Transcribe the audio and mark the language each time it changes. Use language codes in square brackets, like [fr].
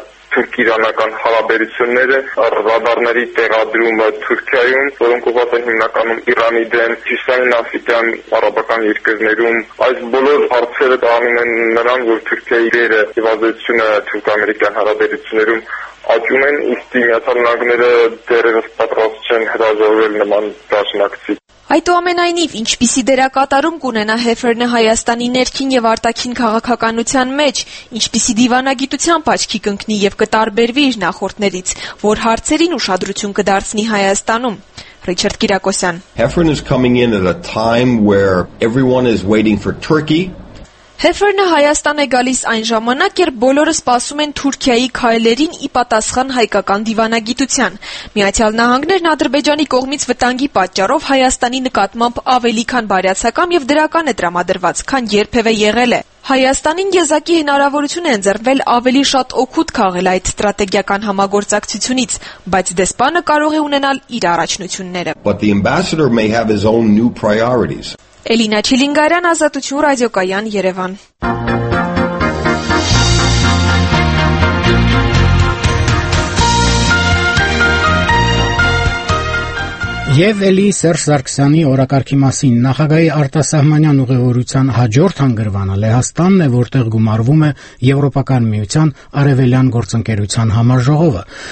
[hy] Թուրք-Իրանական հարաբերությունները, ռադարների տեղադրումը Թուրքիայում, որոնք ուղղված են հիմնականում Իրանի դեմ, Հյուսեյն Աֆիդյան արաբական երկրներում, այս բոլոր հարցերը տանում են նրան, որ Թուրքիայի դերը եւ ազդեցությունը թուրք-ամերիկյան հարաբերություններում աճում են, իսկ Միացյալ Նահանգները դեռևս պատրաստ չեն հրաժարվել նման դաշնակցի։ Այդուամենայնիվ, ինչպիսի դերակատարում կունենա Հեֆերնը Հայաստանի ներքին եւ արտաքին քաղաքականության մեջ, ինչպիսի դիվանագիտության աչքի կընկնի եւ կտարբերվի իր նախորդներից, որ հարցերին ուշադրություն կդարձնի Հայաստանում։ Ռիչարդ Կիրակոսյան. [en] Hefern is coming in at a time where everyone is waiting for Turkey. [hy] Հեֆերնը Հայաստան է գալիս այն ժամանակ, երբ բոլորը սպասում են Թուրքիայի քայլերին ի պատասխան հայկական դիվանագիտության։ Միացյալ Նահանգներն Ադրբեջանի կողմից վտանգի պատճառով Հայաստանի նկատմամբ ավելի քան բարյացակամ եւ դրական է տրամադրված, քան երբևէ եղել է։ Հայաստանին եզակի հնարավորություն է ընձեռվել ավելի շատ օգուտ քաղել այդ ստրատեգիական համագործակցությունից, բայց դեսպանը կարող է ունենալ իր առաջնությունները։ [en] But the ambassador may have his own new priorities. [hy] Էլինա Չիլինգարյան, Ազատություն ռադիոկայան, Երևան։ Եվ Եվ էլի Սերժ Սարգսյանի օրակարգի մասին, նախագահի արտասահմանյան ուղևորության հաջորդ հանգրվանը Լեհաստանն է, որտեղ գումարվում է Եվրոպական միության արևելյան գործընկերության համաժողովը։